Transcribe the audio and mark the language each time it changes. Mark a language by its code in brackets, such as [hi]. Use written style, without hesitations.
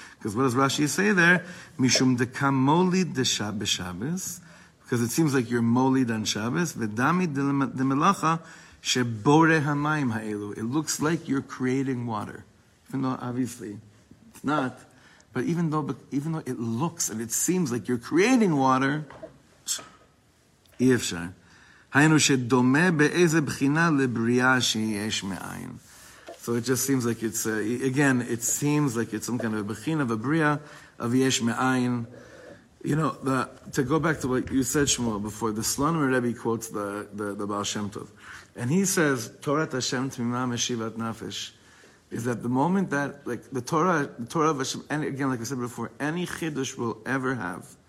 [en] Because what does Rashi say there? [he] Mishum dekam molid de Shabbos, [en] because it seems like you're molid on Shabbos. [he] V'dami de melacha shebore hamayim ha'elu. [en] It looks like you're creating water, even though obviously it's not. But even though it looks and it seems like you're creating water, [he] אי אפשר. היינו שדומה באיזה בחינה לבריאה שיש מאין. [en] So it just seems like it's, again, it seems like it's some kind of a בחינה, a בריאה of יש מאין. You know, to go back to what you said, Shmuel, before, the Shlomo Rebbe quotes the Baal Shem Tov. And he says, [he] Torat Hashem tmimah meshivat nafesh. [en] Is that the moment that, like, the Torah of Hashem, and again, like I said before, any chiddush will ever have.